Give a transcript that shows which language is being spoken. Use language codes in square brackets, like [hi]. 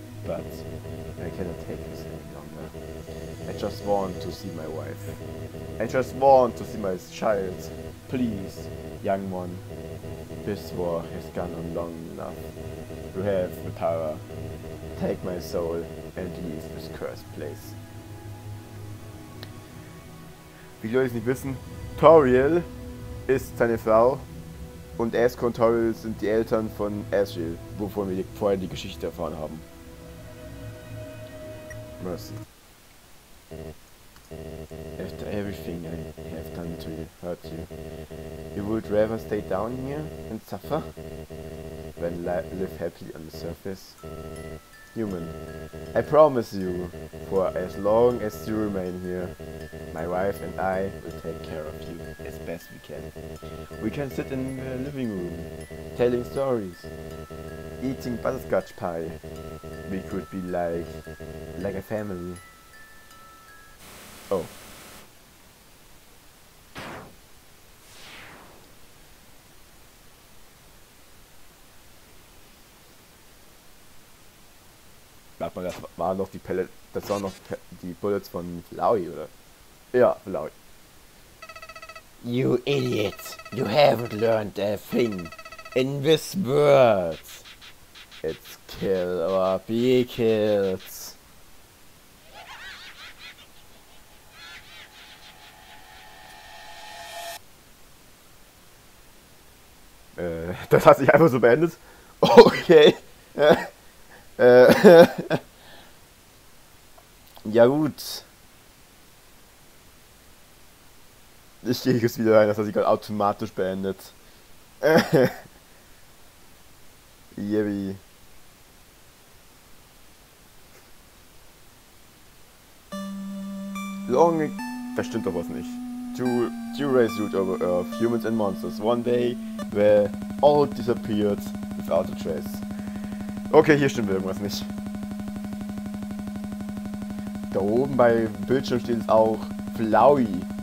[en] But I cannot take this any longer. I just want to see my wife. I just want to see my child. Please, young one. This war has gone on long enough. You have the power. Take my soul and leave this cursed place. [de] Wie die Leute es nicht wissen, Toriel ist seine Frau und Asco und Toriel sind die Eltern von Asriel, wovon wir vorher die Geschichte erfahren haben. [en] Mercy. After everything I have done to hurt you, you would rather stay down here and suffer than live happily on the surface? Human, I promise you, for as long as you remain here, my wife and I will take care of you as best we can. We can sit in the living room, telling stories, eating butterscotch pie. We could be like a family. Oh. [de] Das waren noch die Pellets, das waren noch die Bullets von Flowey, oder? Ja, Flowey. [en] You idiot! You haven't learned a thing in this world! It's kill or be killed! [de] Das hat sich einfach so beendet? Okay! Ja gut. Ich gehe jetzt wieder rein, das hat sich gerade automatisch beendet. Yippie. Long... Das stimmt doch was nicht. [en] two races ruled over Earth, humans and monsters. One day, they all disappeared without a trace. [de] Okay, hier stimmt irgendwas nicht. Da oben bei Bildschirm steht es auch Flowey.